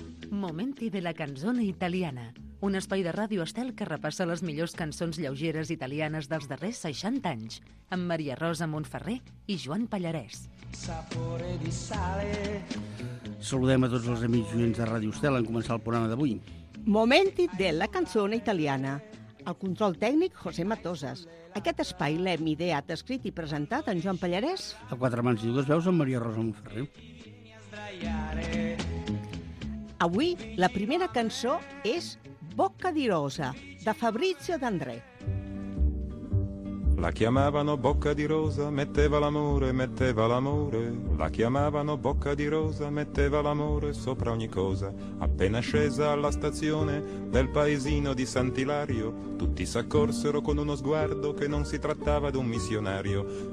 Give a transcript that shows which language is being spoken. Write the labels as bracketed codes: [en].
[ca] Momenti della canzone italiana, un espai de ràdio estel que repassa les millors cançons lleugeres italianes dels darrers 60 anys, amb Maria Rosa Montferrer i Joan Pallarès. [it] Sapore di sale. [ca] Saludem a tots els amics joients de Ràdio Estel en començar el programa d'avui. [it] Momenti della canzone italiana. [ca] El control tècnic, José Matosas. Aquest espai l'hem ideat, escrit i presentat en Joan Pallarès. A quatre mans i dues veus amb Maria Rosa Montferrer. Avui, la primera cançó és Bocca di Rosa, de Fabrizio D'André. [it] La chiamavano Bocca di Rosa, metteva l'amore, metteva l'amore. La chiamavano Bocca di Rosa, metteva l'amore sopra ogni cosa. Appena scesa alla stazione del paesino di Sant'Ilario, tutti s'accorsero con uno sguardo che non si trattava d'un missionario.